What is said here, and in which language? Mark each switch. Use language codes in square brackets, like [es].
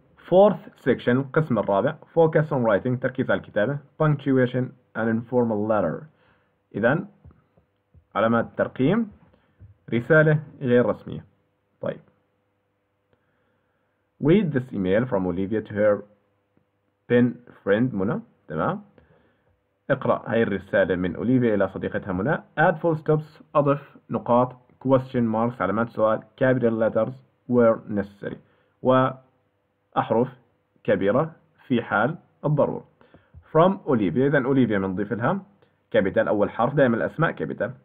[en] Fourth section، [ar] القسم الرابع، [en] focus on writing، [ar] تركيز على الكتابة، [en] punctuation and informal letter، [ar] إذا علامات الترقيم، رسالة غير رسمية. طيب، [en] read this email from Olivia to her pen friend منى. [ar] تمام، اقرأ هاي الرسالة من أوليفيا إلى صديقتها منى. [en] add full stops، [ar] أضف نقاط، [en] question marks [ar] علامات سؤال، [en] capital letters where necessary، [ar] وأحرف كبيرة في حال الضرورة. from أوليفيا، إذا أوليفيا بنضيف لها capital أول حرف، دائما الأسماء capital.